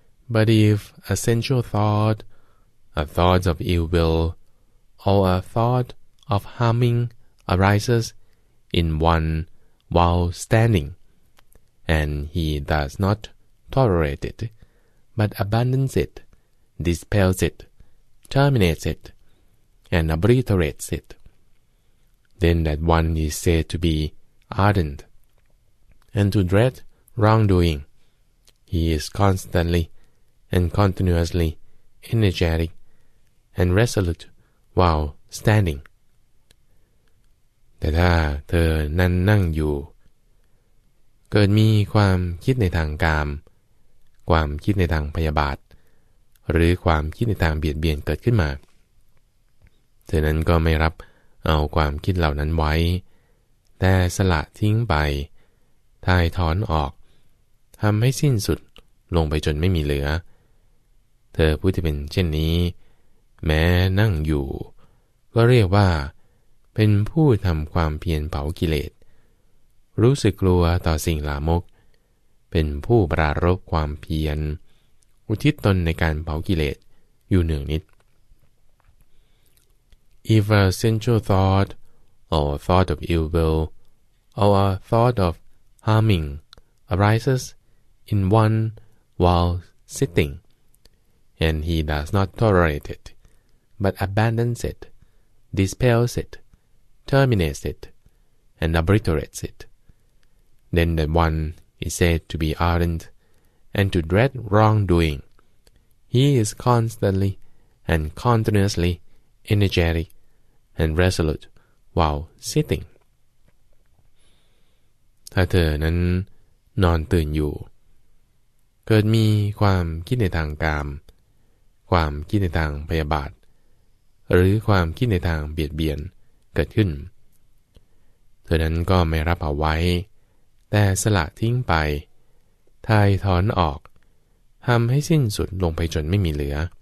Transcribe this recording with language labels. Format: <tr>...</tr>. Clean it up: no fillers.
<en>But if a sensual thought, a thought of ill will, or a thought of harming arises in one while standing, and he does not tolerate it, but abandons it, dispels it, terminates itand obliterates it. Then that one is said to be ardent, and to dread wrongdoing. He is constantly and continuously energetic and resolute while standing.</en> <th>แต่ถ้าเธอนั่นนั่งอยู่เกิดมีความคิดในทางกามความคิดในทางพยาบาทหรือความคิดในทางเบียดเบียนเกิดขึ้นมา เธอนั้นก็ไม่รับเอาความคิดเหล่านั้นไว้แต่สละทิ้งไปถ่ายถอนออกทำให้สิ้นสุดลงไปจนไม่มีเหลือ เธอผู้ที่เป็นเช่นนี้แม้นั่งอยู่ก็เรียกว่าเป็นผู้ทำความเพียรเผากิเลสรู้สึกกลัวต่อสิ่งลามกเป็นผู้ปรารภความเพียรอุทิศตนในการเผากิเลสอยู่หนึ่งนิด</th> <en>If a sensual thought, or a thought of ill will, or a thought of harming arises in one while sitting, and he does not tolerate it, but abandons it, dispels it, terminates it, and obliterates it. Then the one is said to be ardent and to dread wrongdoing. He is constantly and continuously energetic and resolute while sitting.</en> <th>ถ้าเธอนั้นนอนตื่นอยู่เกิดมีความคิดในทางกามความคิดในทางพยาบาทหรือความคิดในทางเบียดเบียนเกิดขึ้น เธอนั้นก็ไม่รับเอาไว้แต่สละทิ้งไปทายถอนออกทำให้สิ้นสุดลงไปจนไม่มีเหลือ</th>